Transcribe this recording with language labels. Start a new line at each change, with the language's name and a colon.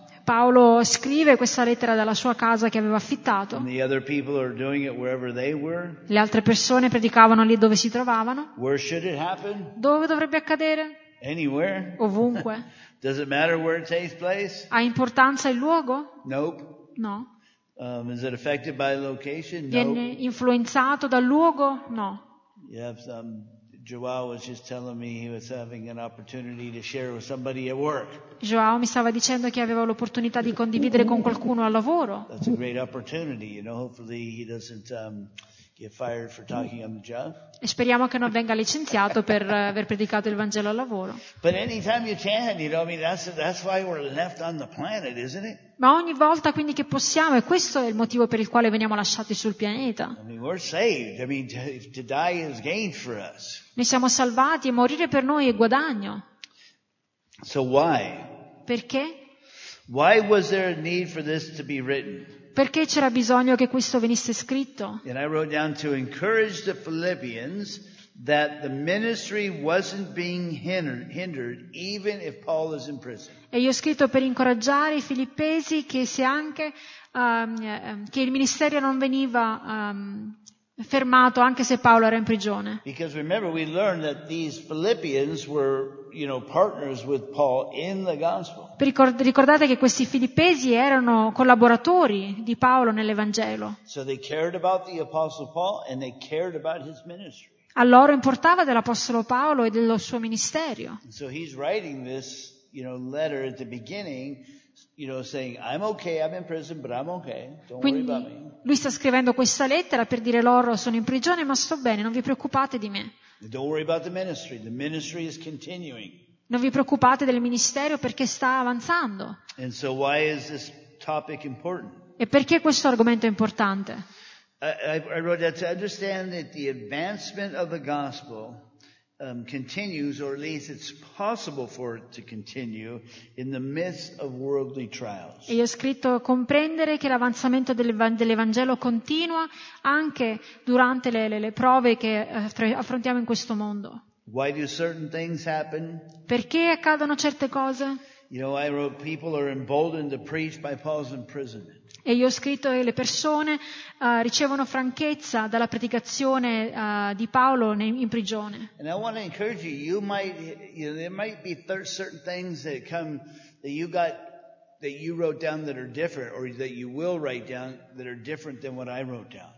Italian: Paolo scrive questa lettera dalla sua casa che aveva affittato.
English: And the other people are doing it wherever they were.
Italian: Le altre persone predicavano lì dove si trovavano.
English: Where should it happen?
Italian: Dove dovrebbe accadere?
English: Anywhere.
Italian: Ovunque.
English: Does it matter where it takes place?
Italian: Ha importanza il luogo?
English: Nope.
Italian: No.
English: Is it affected by location? Nope.
Italian: Viene influenzato dal luogo? No.
English: Yes, Joao was just telling me he was having an opportunity to share with somebody at work.
Italian: Joao mi stava dicendo che aveva l'opportunità di condividere con qualcuno al lavoro.
English: That's a great opportunity, you know. Hopefully he doesn't get fired for talking on the job.
Italian: E speriamo che non venga licenziato per aver predicato il Vangelo al lavoro.
English: But anytime you can, you know, I mean, that's why we're left on the planet, isn't it?
Italian: Ma ogni volta quindi che possiamo, e questo è il motivo per il quale veniamo lasciati sul pianeta.
English: I mean, we're saved. I mean, to die is gain for us.
Italian: Noi siamo salvati e morire per noi è guadagno.
English: So why?
Italian: Perché?
English: Why was there a need for this to be written?
Italian: Perché c'era bisogno che questo venisse scritto?
English: And I wrote down to encourage the Philippians that the ministry wasn't being hindered even if Paul is in prison.
Italian: E io ho scritto per incoraggiare i filippesi che se anche che il ministero non veniva fermato anche se Paolo era in prigione.
English: Because remember we learned that these Philippians were, you know, partners with Paul in the gospel.
Italian: Ricordate che questi filippesi erano collaboratori di Paolo nell'Evangelo.
English: So they cared about the apostle Paul and they cared about his ministry.
Italian: A loro importava dell'apostolo Paolo e del suo ministero.
English: So he's writing this, you know, letter at the beginning, you know, saying I'm okay, I'm in prison, but I'm okay. Don't
Italian: Quindi,
English: worry about me.
Italian: Lui sta scrivendo questa lettera per dire loro sono in prigione ma sto bene, non vi preoccupate di me.
English: Don't worry about the ministry. The ministry is continuing.
Italian: Non vi preoccupate del ministero perché sta avanzando.
English: And so why is this topic important?
Italian: E perché questo argomento è importante?
English: I wrote that to understand that the advancement of the gospel continues, or at least it's possible for it to continue, in the midst of worldly trials.
Italian: E io ho scritto comprendere che l'avanzamento dell'Evangelo continua anche durante le prove che affrontiamo in questo mondo.
English: Why do certain things happen?
Italian: Perché accadono certe cose?
English: You know, I wrote, people are emboldened to preach by Paul's imprisonment.
Italian: E io ho scritto che le persone ricevono franchezza dalla predicazione di Paolo in prigione.
English: And I want to encourage you, you might, you know, there might be certain things that come that you got, that you wrote down that are different, or that you will write down that are different than what I wrote down.